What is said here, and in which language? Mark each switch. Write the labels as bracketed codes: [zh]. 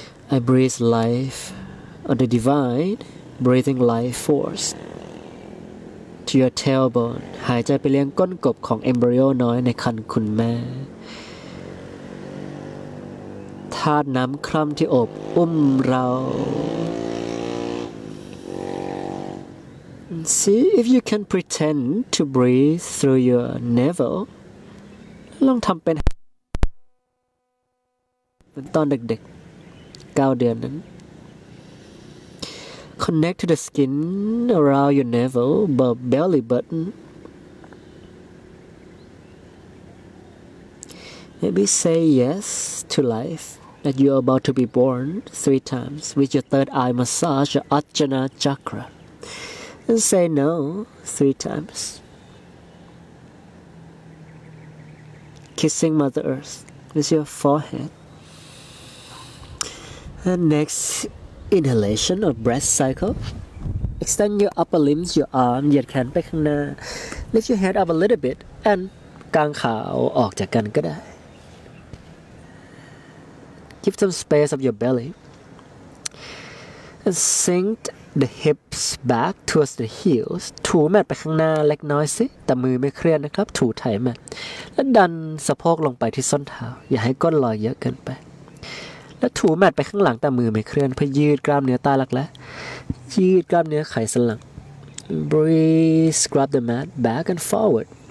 [en] I breathe life on the divine, breathing life force to your tailbone. [th] หายใจไปเลี้ยงก้นกบของเอมบริโอน้อยในครรภ์คุณแม่ธาตุน้ำคร่ำที่อบอุ้มเรา [en] See if you can pretend to breathe through your navel. [th] ลองทำเป็นตอนเด็กๆ9เดือนนั้น [en] Connect to the skin around your navel, belly button. Maybe say yes to life that you are about to be born 3 times with your third eye massage your Ajna chakra. And say no 3 times. Kissing Mother Earth with your forehead. And next inhalation or breath cycle. Extend your upper limbs, your arm, [th] เหยียดแขนไปข้างหน้า [en] Lift your head up a little bit and [th] กางขาออกจากกันก็ได้ [en] Give some space of your belly. And sink the hips back towards the heels. [th] ถูแมตไปข้างหน้าเล็กน้อยสิแต่มือไม่เครียดนะครับถูไถแมตแล้วดันสะโพกลงไปที่ส้นเท้าอย่าให้ก้นลอยเยอะเกินไปและถูแมตไปข้างหลังแต่มือไม่เคลื่อนเพื่อยืดกล้ามเนื้อใต้หลักและยืดกล้ามเนื้อไขสันหลัง [en] Breathe, scrub the mat back and forward.